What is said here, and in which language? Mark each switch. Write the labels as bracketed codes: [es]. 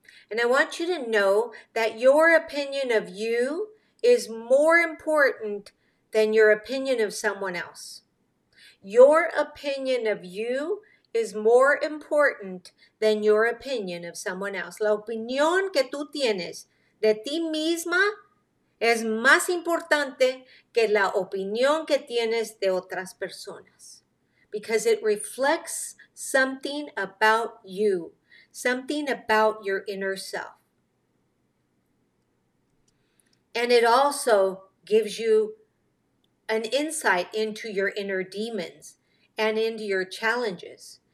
[en] And I want you to know that your opinion of you is more important than your opinion of someone else. Your opinion of you is more important than your opinion of someone else. [es] La opinión que tú tienes de ti misma es más importante que la opinión que tienes de otras personas. [en] Because it reflects something about you, something about your inner self. And it also gives you an insight into your inner demons and into your challenges.